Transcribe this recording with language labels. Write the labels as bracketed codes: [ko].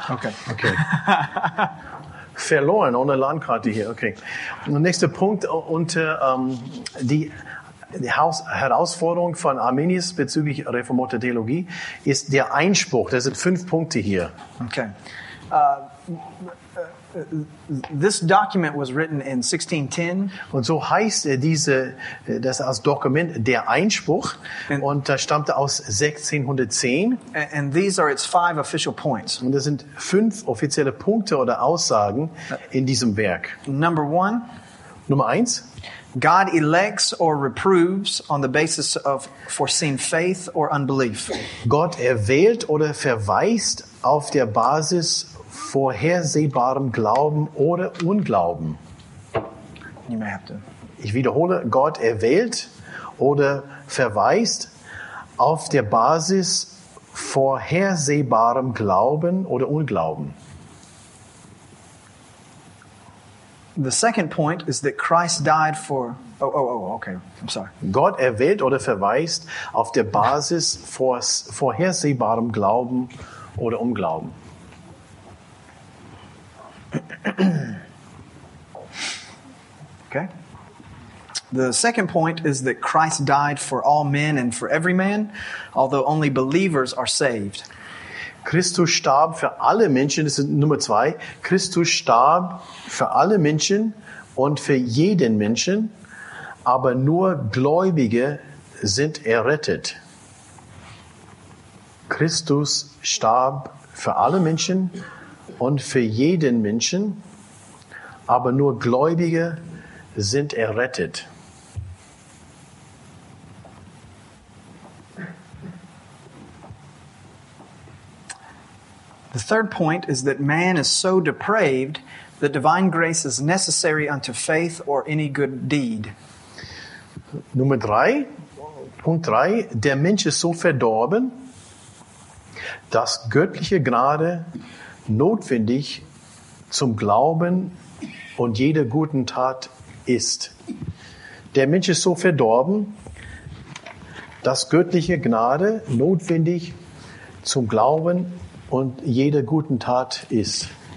[en] Okay. [de] Verloren ohne Landkarte hier. Okay. Und nächster Punkt unter die Herausforderung von Arminius bezüglich reformierter Theologie ist der Einspruch. Das sind 5 Punkte hier. [en] Okay. This document was written in 1610. [de] Und so heißt das als Dokument der Einspruch, und das stammte aus 1610. [en] And these are its 5 official points. [de] Und das sind 5 offizielle Punkte oder Aussagen in diesem Werk. Nummer 1. [en] God elects or reproves on the basis of foreseen faith or unbelief. [de] Gott erwählt oder verweist auf der Basis vorhersehbarem Glauben oder Unglauben. Ich wiederhole, Gott erwählt oder verweist auf der Basis vorhersehbarem Glauben oder Unglauben. [en] The second point is that Christ died for. Okay, I'm sorry. [de] Gott erwählt oder verweist auf der Basis vorhersehbarem Glauben oder Unglauben. [en] Okay. The second point is that Christ died for all men and for every man, although only believers are saved. [de] Christus starb für alle Menschen, das ist Nummer 2. Christus starb für alle Menschen und für jeden Menschen, aber nur Gläubige sind errettet. Christus starb für alle Menschen und für jeden Menschen, aber nur Gläubige sind errettet. [en] The third point is that man is so depraved that divine grace is necessary unto faith or any good deed. [de] Punkt 3, der Mensch ist so verdorben, dass göttliche Gnade notwendig zum Glauben und jeder guten Tat ist. Der Mensch ist so verdorben, dass göttliche Gnade notwendig zum Glauben und jeder guten Tat ist.